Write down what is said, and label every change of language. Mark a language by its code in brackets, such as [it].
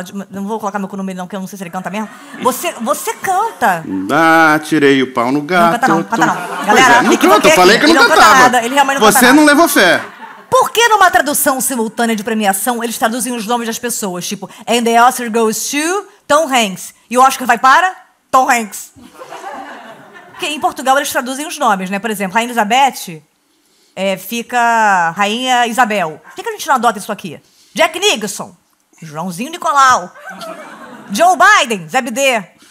[pt] Não vou colocar meu cu no meio, não, que eu não sei se ele canta mesmo. Você canta. Ah, tirei o pau no gato. Não canta não, canta não. Galera, pois é, não canta, eu falei que ele não cantava. Canta nada, ele realmente não você canta não levou fé. Por que numa tradução simultânea de premiação, eles traduzem os nomes das pessoas? [en] Tipo, and the Oscar goes to Tom Hanks. [pt] E o Oscar vai para Tom Hanks. Porque em Portugal eles traduzem os nomes, né? Por exemplo, Rainha Elizabeth... É, fica Rainha Isabel. Por que a gente não adota isso aqui? Jack Nicholson. Joãozinho Nicolau. Joe Biden. Zé Bidê.